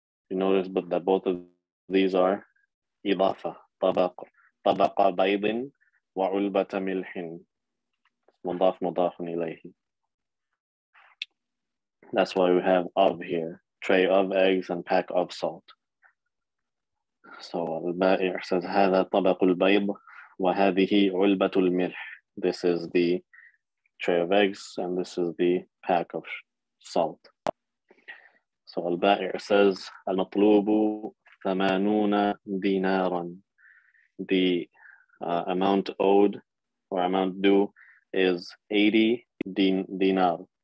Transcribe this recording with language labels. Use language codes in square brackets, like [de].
[en] You notice but that both of these are idafa, [ar] tabaq, tabaqa baydin wa ulbata milhin. Mudaf mudafun ilayhi. [en] That's why we have of here. Tray of eggs and pack of salt. [ar] So al-ba'i' says, هَذَا طَبَقُ الْبَيْضُ وَهَذِهِ عُلْبَةُ الْمِلْحِ. [en] This is the tray of eggs and this is the pack of salt. [ar] So al-ba'i' says, الْمَطْلُوبُ ثَمَانُونَ دِينَارًا. [en] The amount owed or amount due is 80 dinar.